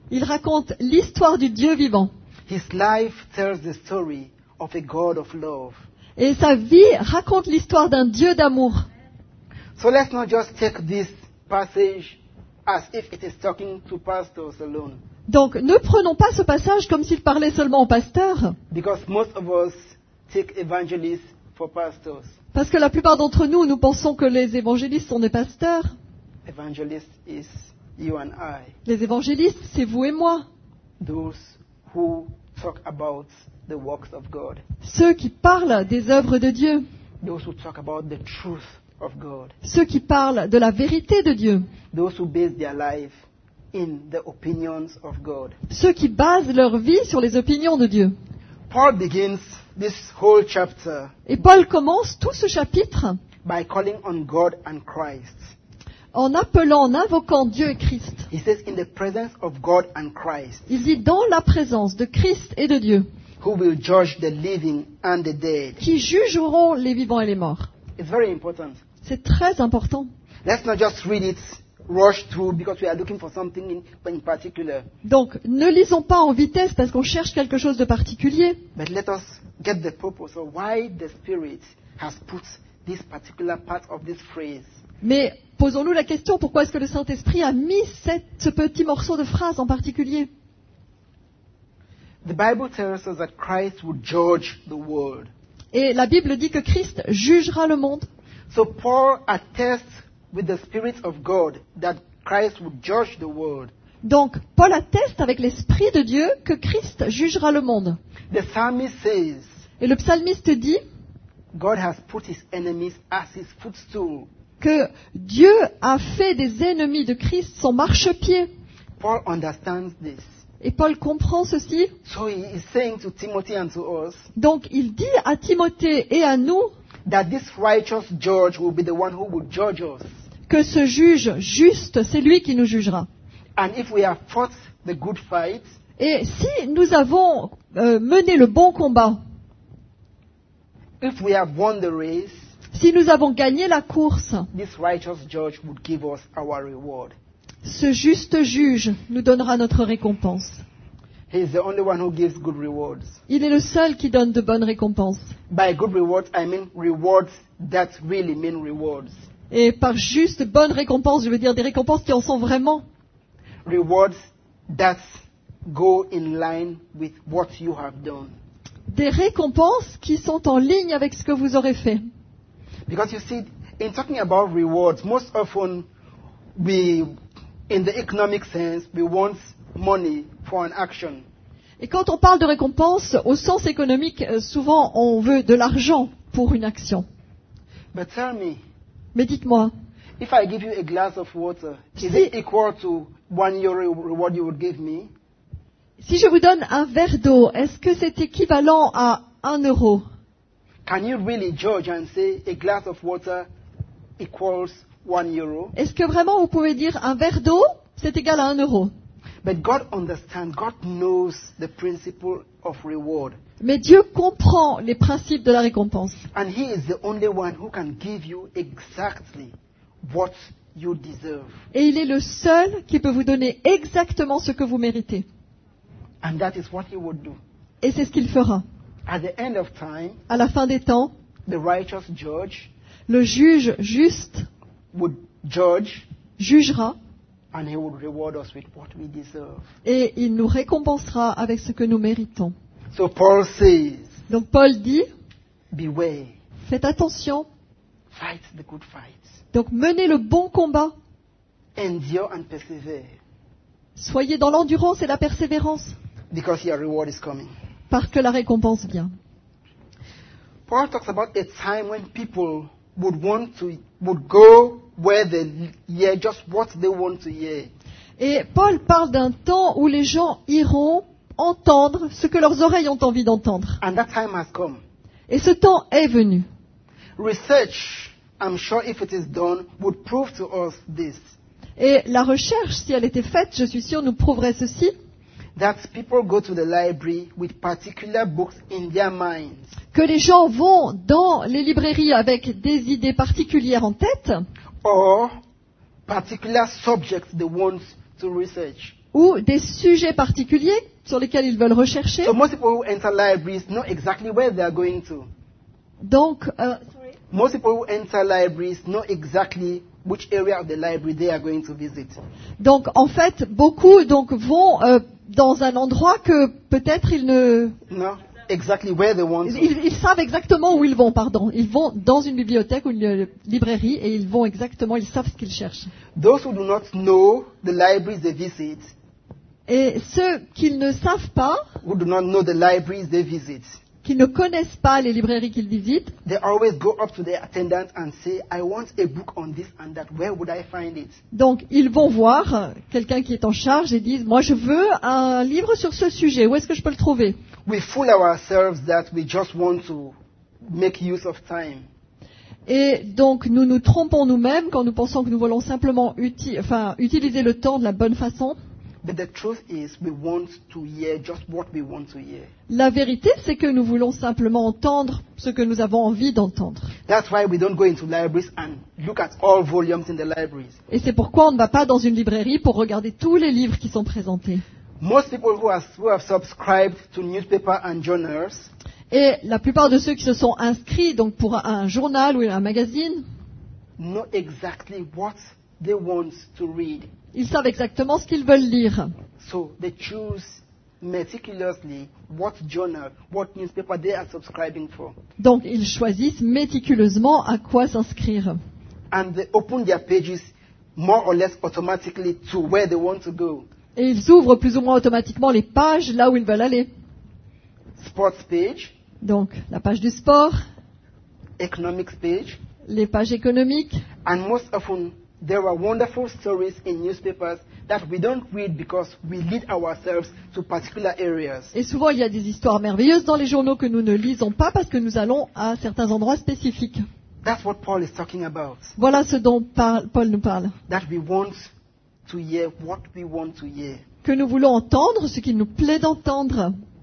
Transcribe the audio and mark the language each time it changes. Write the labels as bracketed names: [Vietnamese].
[French] Il raconte l'histoire du Dieu vivant. [English] His life tells the story of a God of love. [French] Et sa vie raconte l'histoire d'un Dieu d'amour. [English] So let's not just take this passage as if it is talking to pastors alone. [French] Donc, ne prenons pas ce passage comme s'il parlait seulement aux pasteurs. [English] Because most of us take evangelists for pastors. [French] Parce que la plupart d'entre nous, nous pensons que les évangélistes sont des pasteurs. [English] Evangelist is you and I. [French] Les évangélistes, c'est vous et moi. [English] Those who talk about the works of God. [French] Ceux qui parlent des œuvres de Dieu. [English] Those who talk about the truth of God. [French] Ceux qui parlent de la vérité de Dieu. [English] Those who base their life in the opinions of God. [French] Ceux qui basent leur vie sur les opinions de Dieu. [English] Paul begins this whole chapter. [French] Et Paul commence tout ce chapitre [English] by calling on God and Christ. [French] En appelant, en invoquant Dieu et Christ. [English] He says in the presence of God and Christ. [French] Il dit dans la présence de Christ et de Dieu. [English] Who will judge the living and the dead? [French] Qui jugeront les vivants et les morts? [English] It's very important. [French] C'est très important. [English] Let's not just read it. Rush through because we are looking for something in particular. [French] Donc, ne lisons pas en vitesse parce qu'on cherche quelque chose de particulier. [English] But let us get the purpose of why the Spirit has put this particular part of this phrase. [French] Mais posons-nous la question, pourquoi est-ce que le Saint-Esprit a mis ce petit morceau de phrase en particulier? [English] The Bible tells us that Christ will judge the world. [French] Et la Bible dit que Christ jugera le monde. [English] So Paul attests with the Spirit of God that Christ would judge the world. [French] Donc Paul atteste avec l'Esprit de Dieu que Christ jugera le monde. [English] The psalmist says, [French] et le psalmiste dit, [English] God has put his enemies as his footstool. [French] Que Dieu a fait des ennemis de Christ son marchepied. [English] Paul understands this. [French] Et Paul comprend ceci. [English] So he is saying to Timothy and to us, [French] donc il dit à Timothée et à nous, [English] that this righteous judge will be the one who will judge us. [French] Que ce juge juste, c'est lui qui nous jugera. [English] And if we have fought the good fight, [French] et si nous avons mené le bon combat, [English] if we have won the race, [French] si nous avons gagné la course, [English] this righteous judge would give us our reward. [French] Ce juste juge nous donnera notre récompense. [English] He is the only one who gives good rewards. [French] Il est le seul qui donne de bonnes récompenses. [English] By good rewards, I mean rewards that really mean rewards. [French] Et par juste bonnes récompenses, je veux dire des récompenses qui en sont vraiment. [English] Rewards that go in line with what you have done. [French] Des récompenses qui sont en ligne avec ce que vous aurez fait. [English] Because you see, in talking about rewards, most often we, in the economic sense, we want money for an action. [French] Et quand on parle de récompense, au sens économique, souvent on veut de l'argent pour une action. [English] But tell me, [French] mais dites-moi, [English] if I give you a glass of water, is it equal to 1 euro reward you would give me? [French] Si je vous donne un verre d'eau, est-ce que c'est équivalent à 1 euro? [English] Can you really judge and say a glass of water equals 1 euro? [French] Est-ce que vraiment vous pouvez dire un verre d'eau c'est égal à 1 euro? [English] But God understands. God knows the principle of reward. [French] Mais Dieu comprend les principes de la récompense. [English] And He is the only one who can give you exactly what you deserve. [French] Et il est le seul qui peut vous donner exactement ce que vous méritez. [English] And that is what He would do. [French] Et c'est ce qu'il fera. [English] At the end of time, [French] à la fin des temps, [English] the righteous judge, [French] le juge juste, [English] would judge, [French] jugera. [English] And He would reward us with what we deserve. [French] Et il nous récompensera avec ce que nous méritons. [English] So Paul says, [French] donc Paul dit, [English] beware, [French] faites attention, [English] fight the good fight. [French] Donc menez le bon combat, [English] endure and persevere. [French] Soyez dans l'endurance et la persévérance, [English] because your reward is coming. [French] Parce que la récompense vient. [English] Paul talks about a time when people would want to would go where they hear just what they want to hear. [French] Et Paul parle d'un temps où les gens iront entendre ce que leurs oreilles ont envie d'entendre. [English] And that time has come. [French] Et ce temps est venu. [English] Research, I'm sure if it is done, would prove to us this. [French] Et la recherche, si elle était faite, je suis sûr, nous prouverait ceci. [English] That people go to the library with particular books in their minds. [French] Que les gens vont dans les librairies avec des idées particulières en tête. [English] Or particular subjects they want to research. [French] Ou des sujets particuliers sur lesquels ils veulent rechercher. [English] So most people who enter libraries know exactly where they are going to. [French] Donc, [English] most people who enter libraries know exactly which area of the library they are going to visit. [French] Donc, en fait, beaucoup donc vont dans un endroit que peut-être ils ne. [English] No. Exactly where they want to. [French] Ils savent exactement où ils vont, pardon. Ils vont dans une bibliothèque ou une librairie et ils vont exactement, ils savent ce qu'ils cherchent. [English] Those who do not know the libraries they visit. [French] Et ceux qu'ils ne savent pas, [English] who do not know the libraries they visit, [French] qui ne connaissent pas les librairies qu'ils visitent, [English] they always go up to their attendant and say, I want a book on this and that. Where would I find it? [French] Donc ils vont voir quelqu'un qui est en charge et disent, moi je veux un livre sur ce sujet. Où est-ce que je peux le trouver? [English] We fool ourselves that we just want to make use of time. [French] Et donc nous nous trompons nous-mêmes quand nous pensons que nous voulons simplement utiliser le temps de la bonne façon. [English] But the truth is, we want to hear just what we want to hear. [French] La vérité, c'est que nous voulons simplement entendre ce que nous avons envie d'entendre. [English] That's why we don't go into libraries and look at all volumes in the libraries. [French] Et c'est pourquoi on ne va pas dans une librairie pour regarder tous les livres qui sont présentés. [English] Most people who have subscribed to newspaper and journals. [French] Et la plupart de ceux qui se sont inscrits donc pour un journal ou un magazine. [English] Know exactly what they want to read. [French] Ils savent exactement ce qu'ils veulent lire. [English] So they choose meticulously what journal, what newspaper they are subscribing for. [French] Donc ils choisissent méticuleusement à quoi s'inscrire. [English] And they open their pages more or less automatically to where they want to go. [French] Et ils ouvrent plus ou moins automatiquement les pages là où ils veulent aller. [English] Sports page. [French] Donc la page du sport. [English] Economics page. [French] Les pages économiques. [English] And most often there are wonderful stories in newspapers that we don't read because we lead ourselves to particular areas. [French] Et souvent il y a des histoires merveilleuses dans les journaux que nous ne lisons pas parce que nous allons à certains endroits spécifiques. [English] That's what Paul is talking about. [French] Voilà ce dont Paul nous parle. [English] That we want to hear what we want to hear. [French] Que nous voulons entendre ce qu'il nous plaît d'entendre.